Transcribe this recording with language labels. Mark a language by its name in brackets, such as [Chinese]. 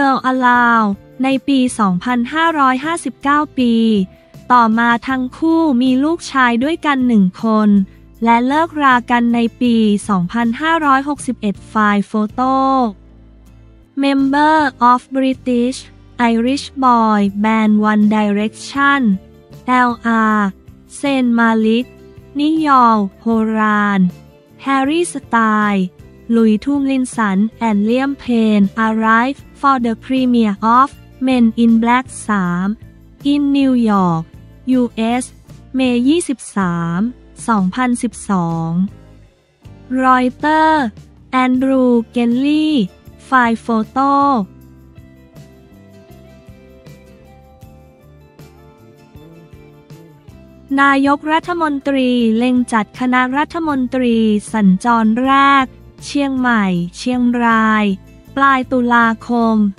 [Thai] Aloud ในปี2559ปีต่อมาทั้งคู่มีลูกชายด้วยกัน1คนและเลิกรากันในปี2561ฝ่ายโฟโต้ [English] Member of British Irish Boy Band One Direction L.R. Zayn Malik Niall Horan Harry Styles Louis Tomlinson and Liam Payne arrived for the premiere of Men in Black 3 in New York, U.S. May 23, 2012 [Thai] รอยเตอร์แอนดรูว์เกลลี่ฝ่ายโฟโต้นายกรัฐมนตรีเล็งจัดคณะรัฐมนตรีสัญจรแรกเชียงใหม่เชียงรายปลายตุลาคม